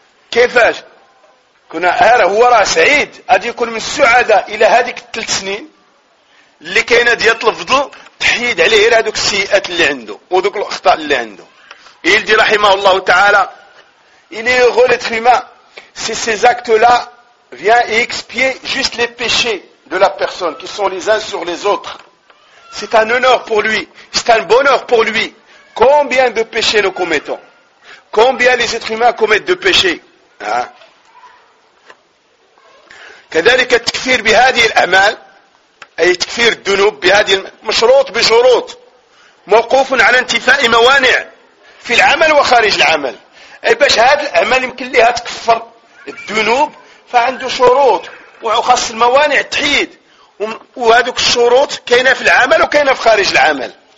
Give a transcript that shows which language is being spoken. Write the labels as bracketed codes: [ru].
[ar] كيفاش كنا هو راه سعيد غادي يكون من السعادة إلى هذيك الثلاث سنين اللي كاينة ديال الفضل تحيد عليه غير هذوك السيئات اللي عنده وذوك الأخطاء اللي عنده. [fr] Il dit rahimahullah ta'ala, il est heureux l'être humain si ces actes-là viennent expier juste les péchés de la personne qui sont les uns sur les autres. C'est un honneur pour lui, c'est un bonheur pour lui. Combien de péchés nous commettons? Combien les êtres humains commettent de péchés? [ar] كذلك التكفير بهذه الأعمال أي تكفير الذنوب بهذه المشروط بشروط موقوف على انتفاء موانع في العمل وخارج العمل. أي باش هذا الأعمال يمكن لها تكفر الذنوب فعنده شروط وخاص الموانع تحيد وهذوك الشروط كاينه في العمل وكاينه في خارج العمل.